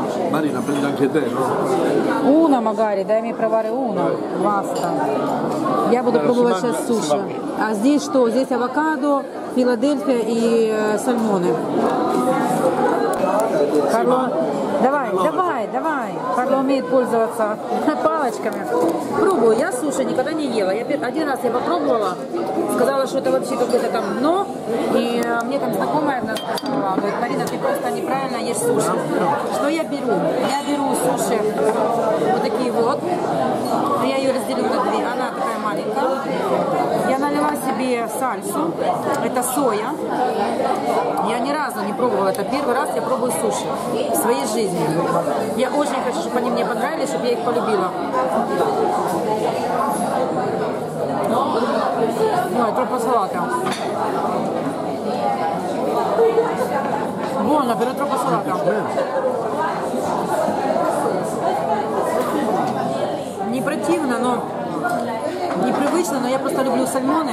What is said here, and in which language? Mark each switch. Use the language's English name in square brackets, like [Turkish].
[Italian] Марина, prendi anche te, no? Una magari, dai mi provare una. Basta. [Russian] Я буду пробовать сейчас суши. А здесь что? Здесь авокадо, Филадельфия и сальмоны. Карло, давай. Карло умеет пользоваться палочками. Пробую. Я суши никогда не ела. Один раз я попробовала, сказала, что это вообще какое-то там дно. И мне там знакомая одна сказала, говорит, Марина, ты просто неправильно ешь суши. Что я беру? Я беру суши вот такие вот. Я ее разделю на две. Она такая маленькая. Я налила себе сальсу. Это соя. Я ни разу не пробовала. Это первый раз я пробую суши в своей жизни. Я очень хочу, чтобы они мне понравились, чтобы я их полюбила. Ой, тропа салата. [Italian] Buona, però è troppo salata. [Russian] Не противно, но непривычно, но я просто люблю сальмоны.